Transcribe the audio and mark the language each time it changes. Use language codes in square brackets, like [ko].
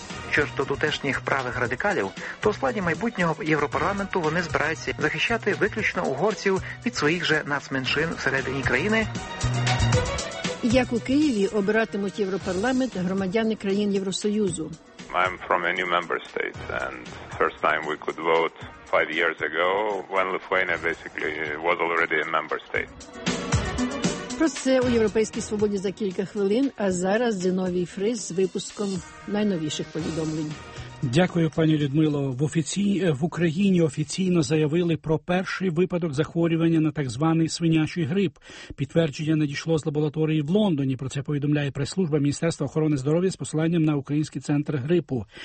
[uk] Що ж до тутешніх правих радикалів, то у складі майбутнього Європарламенту вони збираються захищати виключно угорців від своїх же нацменшин всередині країни. Як у Києві обиратимуть Європарламент громадяни країн Євросоюзу? [en] I'm from a new member state, and first time we could vote 5 years ago, when Lithuania basically was already a member state. [uk] Про це у Європейській свободі за кілька хвилин, а зараз Зіновій Фріз з випуском найновіших повідомлень. Дякую, пані Людмило. В Україні офіційно заявили про перший випадок захворювання на так званий свинячий грип. Підтвердження надійшло з лабораторії в Лондоні. Про це повідомляє прес-служба Міністерства охорони здоров'я з посиланням на Український центр грипу.